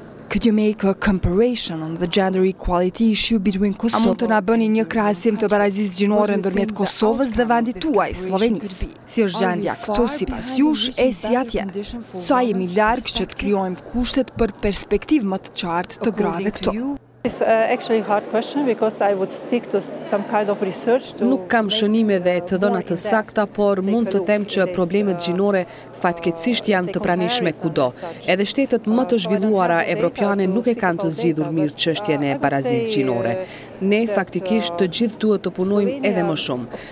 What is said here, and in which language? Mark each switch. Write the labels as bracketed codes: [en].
[en] Could you make a comparison on the gender equality issue between Kosovo? [sq] A mund të na bëni një krahasim të barazisë gjinore ndërmjet Kosovës dhe vendit tuaj, Slovenisë? Si është gjendja këtu sipas jush e si atje? Sa jemi larg që të krijojmë kushtet për perspektivë më të qartë të grave këtu? [en] It's actually a hard question because I would stick to some kind of research to [sq] Nuk kam shënime dhe të dhëna të sakta, por mund të them që problemet gjinore fatkeqësisht janë të pranishme kudo. Edhe shtetet më të zhvilluara evropiane nuk e kanë të zgjidhur mirë çështjen e barazisë gjinore. Ne faktikisht të gjithë duhet të punojmë edhe më shumë.